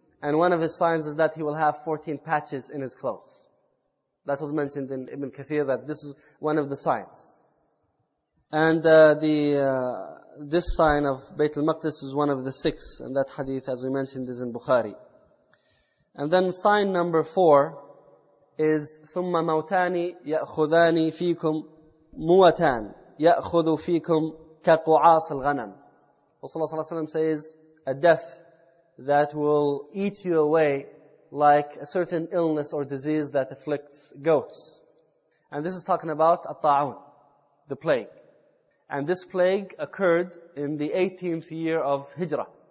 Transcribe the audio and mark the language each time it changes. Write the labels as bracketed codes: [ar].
[en] And one of his signs is that he will have 14 patches in his clothes. That was mentioned in Ibn Kathir, that this is one of the signs. And this sign of Bayt al-Maqdis is one of the six. And that hadith, as we mentioned, is in Bukhari. And then sign number 4 is [ar] ثُمَّ مَوْتَانِ يَأْخُذَانِ فِيكُمْ مُوَتَانِ يَأْخُذُ فِيكُمْ كقعاص الغنم. [en] Rasulullah [ar] صلى الله عليه وسلم [en] says, a death that will eat you away like a certain illness or disease that afflicts goats. And this is talking about الطاعون, the plague. And this plague occurred in the 18th year of Hijrah.